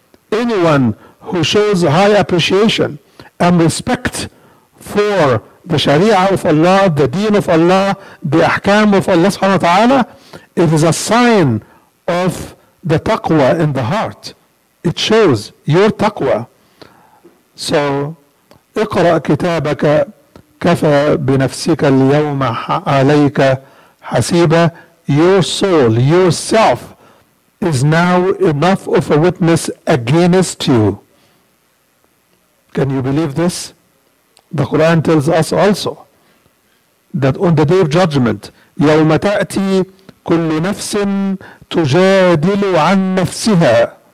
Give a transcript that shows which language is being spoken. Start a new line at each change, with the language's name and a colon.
English: Anyone who shows high appreciation and respect for the sharia of Allah, the deen of Allah, the ahkam of Allah subhanahu wa ta'ala, it is a sign of the taqwa in the heart. It shows your taqwa.
Arabic: So, اقرأ كتابك كفى بنفسك اليوم عليك حسيبا.
English: Your soul, yourself, is now enough of a witness against you. Can you believe this? The Quran tells us also that on the day of judgment,
Arabic: يوم تأتي كل نفس تجادل عن نفسها.